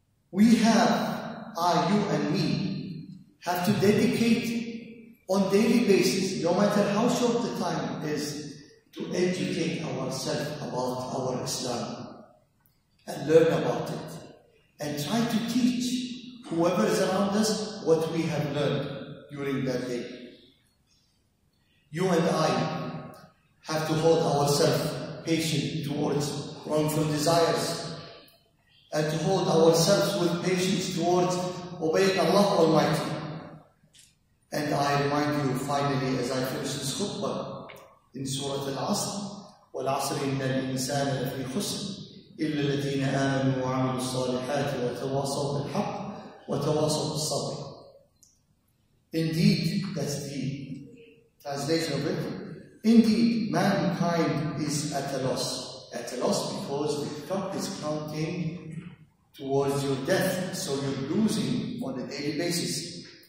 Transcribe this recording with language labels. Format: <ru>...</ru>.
<en>We have, you and me, have to dedicate on daily basis, no matter how short the time is, to educate ourselves about our Islam and learn about it and try to teach whoever is around us what we have learned during that day. You and I have to hold ourselves patient towards wrongful desires and to hold ourselves with patience towards obeying Allah Almighty. And I remind you finally as I finish this khutbah in Surah Al-Asr,</en> <ar>وَالْعَصْرِ إِنَّ الْإِنسَانَ لَفِي خُسْرٍ إِلَّا الَّذِينَ آمَنُوا وَعَمِلُوا الصَّالِحَاتِ وَتَوَاصَوْا بِالْحَقِّ وَتَوَاصَوْا بِالصَّبْرِ.</ar> <en>Indeed, that's the translation of it. Indeed, mankind is at a loss. At a loss because the clock is counting towards your death, so you're losing on a daily basis.</en>